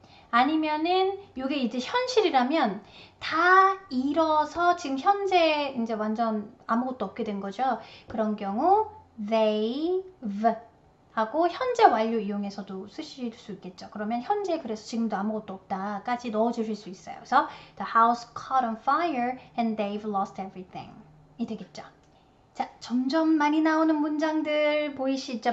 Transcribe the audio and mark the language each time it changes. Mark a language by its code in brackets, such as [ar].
[ko] 아니면은 이게 이제 현실이라면 다 잃어서 지금 현재 이제 완전 아무것도 없게 된 거죠. 그런 경우 they've 하고 현재 완료 이용해서도 쓰실 수 있겠죠. 그러면 현재 그래서 지금도 아무것도 없다까지 넣어 주실 수 있어요. 그래서 [en] the house caught on fire and they've lost everything이 [ko] 되겠죠. 자, 점점 많이 나오는 문장들 보이시죠?